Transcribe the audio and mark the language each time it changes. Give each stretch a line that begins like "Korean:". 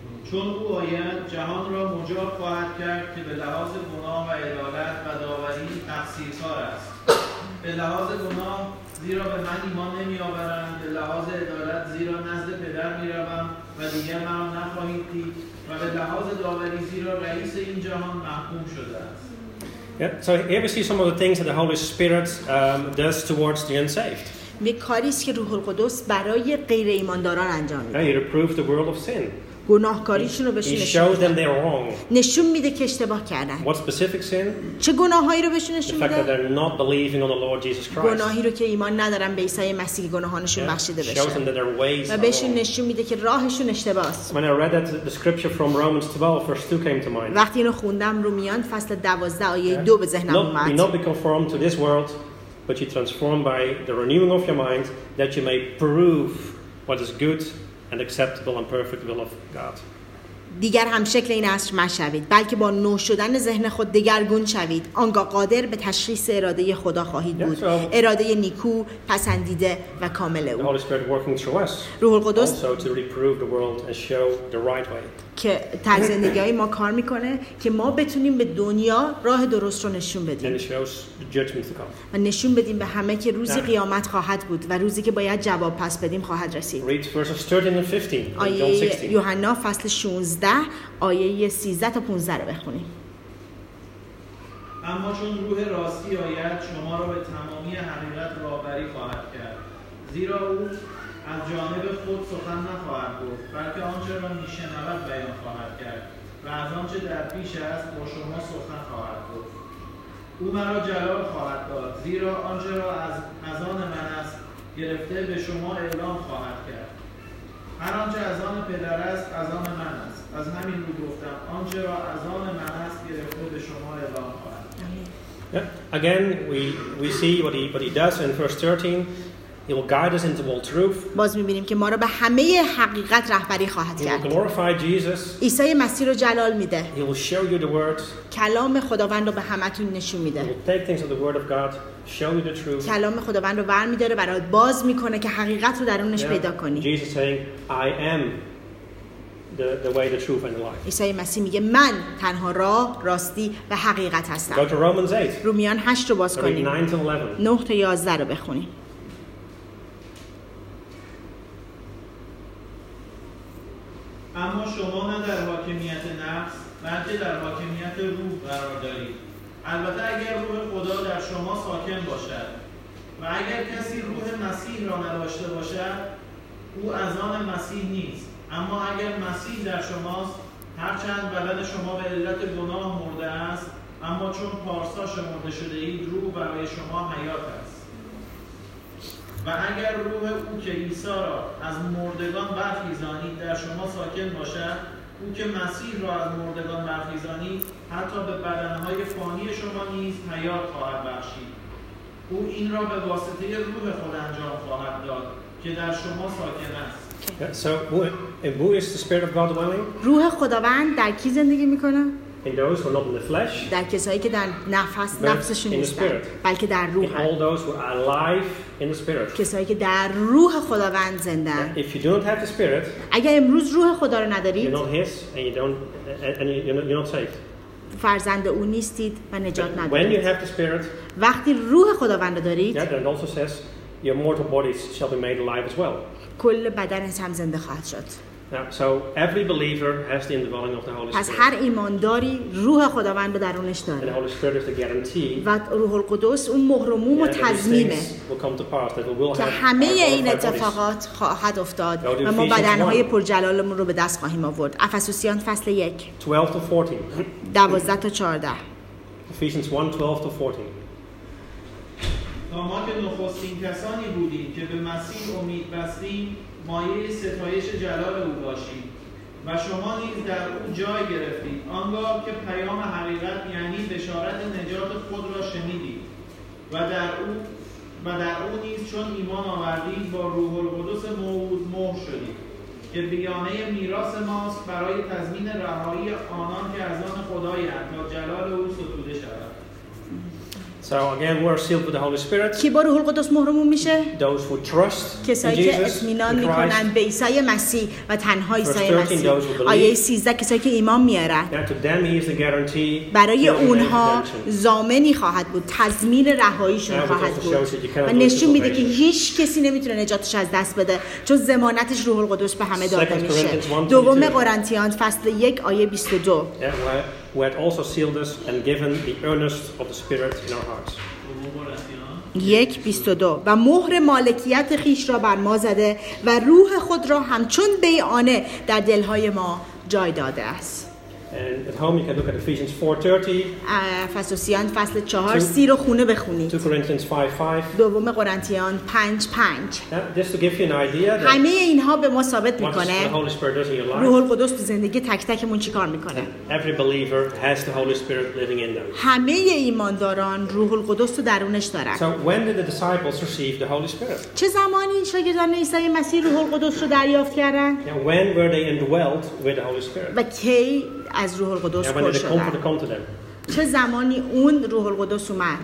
Persian: چون او آید جهان را مجاب خواهد کرد که به لحاظ گناه و عدالت و داوری تقصیرکار است. به لحاظ گناه زیرا به من ایمان نمی آورم، به لحاظ عدالت زیرا نزد پدر می روم و دیگر من را نخواهید دید، و به لحاظ داوری زیرا رئیس این جهان محکوم شده است.
English: Yeah, so here we see some of the things that the Holy Spirit does towards the unsaved.
Persian: می کاریست که روح القدس برای غیر ایمانداران انجام میده.
English: He reproves the world of sin.
Persian: گناهکاریشون رو بهشون نشون میده. نشون میده که اشتباه کردن.
English: What specific sin?
Persian: چه گناهایی رو بهشون نشون میده؟
English: The fact that they're not believing on the Lord Jesus Christ.
Persian: گناهی رو که ایمان ندارن به عیسی مسیح گناهانشون بخشیده بشه.
English: Shows them that their ways are wrong.
Persian: نشون میده که راهشون اشتباه است.
English: When I read that the scripture from Romans 12 verse 2 came to mind.
Persian: وقتی اینو خوندم رومیان فصل 12 آیه 2 به ذهنم اومد.
English: Not be conformed to this world, but you transform by the renewing of your mind that you may prove what is good and acceptable and perfect will of God.
Persian: دیگر هم شکل این عصر مشوید، بلکه با نو شدن ذهن خود دگرگون شوید، آنگاه قادر به تشخیص اراده خدا خواهید بود، اراده نیکو، پسندیده و کامل او.
English: The Holy Spirit working through us.
Persian: روح القدس
English: also to reprove the world and show the right way.
Persian: که طرز زندگی ما کار میکنه که ما بتونیم به دنیا راه درست رو نشون بدیم.
English: And shows the judgment to come.
Persian: و نشون بدیم به همه که روزی قیامت خواهد بود و روزی که باید جواب پس بدیم خواهد رسید.
English: Read verses 13 and 15.
Persian: آیه یوحنا فصل 16 آیه 13 تا 15 رو بخونیم. اما چون روح راستی آید شما را به تمامی حقیقت راهبری خواهد کرد. زیرا او از جانب خود سخن نخواهد گفت، بلکه آنچه را میشنود بیان خواهد کرد و از آنچه در پیش است با شما سخن خواهد گفت. او مرا جلال خواهد داد، زیرا آنچه را از آن من است گرفته به شما اعلام خواهد کرد. هر آنچه از آن پدر است از آن من است. از همین رو گفتم آنچه را از آن من است گرفته به شما اعلام خواهد کرد.
English: Yeah. Again we see what he does in verse 13. He will guide us into all truth.
Persian: باز می‌بینیم که ما را به همه حقیقت رهبری خواهد کرد.
English: He will glorify Jesus.
Persian: عیسی مسیح رو جلال میده.
English: He will show you the word.
Persian: کلام خداوند رو به همتون نشون میده.
English: He will take things of the word of God, show you the truth.
Persian: کلام خداوند رو برمی‌داره برات باز می‌کنه که حقیقت رو درونش پیدا کنی.
English: Jesus saying, I am the way, the truth and the life.
Persian: عیسی مسیح میگه من تنها راه، راستی و حقیقت هستم.
English: Go to Romans 8.
Persian: رومیان 8 رو باز کنید.
English: 9 to 11.
Persian: 9 تا 11 رو بخونید. اما شما نه در حاکمیت نفس، بلکه در حاکمیت روح قرار دارید. البته اگر روح خدا در شما ساکن باشد، و اگر کسی روح مسیح را نداشته باشد، او از آن مسیح نیست. اما اگر مسیح در شماست، هرچند بدن شما به علت گناه مرده است، اما چون پارسا شمرده شده اید، روح برای شما حیات است. و اگر روح او که عیسی را از مردگان برخیزانید در شما ساکن باشد، او که مسیح را از مردگان برخیزانید، حتی به بدنهای فانی شما نیز حیات خواهد بخشید. او این را به واسطه روح خود انجام خواهد داد که در شما ساکن است.
English: Okay. Yeah, so who is the Spirit of God dwelling?
Persian: روح خداوند در کی زندگی میکنه؟
English: In those who are not in the flesh.
Persian: در کسایی که در نفس نفسشون نیستن. بلکه در روح.
English: In all those who are alive in the spirit.
Persian: کسایی که در روح خداوند زندن.
English: If you don't have the spirit.
Persian: اگر امروز روح خدا رو ندارید.
English: You're not his and you're not saved.
Persian: فرزند او نیستید و نجات ندارید.
English: When you have the spirit.
Persian: وقتی روح خداوند رو دارید.
English: Yeah, that also says your mortal bodies shall be made alive as well.
Persian: کل بدنت هم زنده خواهد شد.
English: Now, so every believer has the indwelling of the Holy Spirit.
Persian: پس هر ایمانداری روح خداوند به درونش داره.
English: And the Holy Spirit is the guarantee.
Persian: و روح القدس اون مهرموم و تضمینه.
English: Will come to pass that we will have.
Persian: که همه این اتفاقات خواهد افتاد و ما بدنهای پرجلالمون رو به دست خواهیم آورد. افسوسیان فصل 1.
English: 12 to 14.
Persian: 12 تا 14.
English: Ephesians 1:12 to 14.
Persian: تا ما که نخستین کسانی بودیم که به مسیح امید بستیم مایه ستایش جلال او باشیم و شما نیز در او جای گرفتید آنگاه که پیام حقیقت یعنی بشارت نجات خود را شنیدید و در او نیز چون ایمان آوردید با روح القدس موعود مهر شدید که بیانه میراث ماست برای تضمین رهایی آنان که از آن خدایند تا جلال او ستوده شود.
English: So again, we are sealed with the Holy Spirit.
Persian: کی بار روح القدس مهرمون میشه؟
English: Those who trust in Jesus,
Persian: کسایی که اطمینان میکنن به عیسی مسیح و تنها عیسی مسیح. آیه 13 کسایی که ایمان میارن.
English: That to them he is a guarantee.
Persian: برای اونها ضامنی خواهد بود، تضمین رهاییشون خواهد بود. و نشون میده که هیچ کسی نمیتونه نجاتش از دست بده، چون ضمانتش روح القدس به همه داده میشه. دوم قرنتیان فصل 1 آیه 22.
English: Who had also sealed us and given the earnest of the Spirit in our hearts.
Persian: 1:22 و مهر مالکیت خیش را بر ما زده و روح خود را همچون بیانه در دلهای ما جای داده است.
English: And at home you can look at Ephesians 4:30.
Persian: افسوسیان فصل 4 سیر و خونه بخونید.
English: 2 Corinthians 5:5.
Persian: دوم قرنتیان 5:5.
English: Just to give you an idea that
Persian: همه اینها به ما ثابت میکنه.
English: What is the Holy Spirit does in your life?
Persian: روح القدس تو زندگی تک تکمون چیکار میکنه؟
English: Every believer has the Holy Spirit living in them.
Persian: همه ایمانداران روح القدس تو درونش دارن.
English: So when did the disciples receive the Holy Spirit?
Persian: چه زمانی شاگردان عیسی مسیح روح القدس رو دریافت کردن؟
English: When were they indwelt with the Holy Spirit?
Persian: و کی از روح القدس خوردن؟ چه زمانی اون روح القدس اومد؟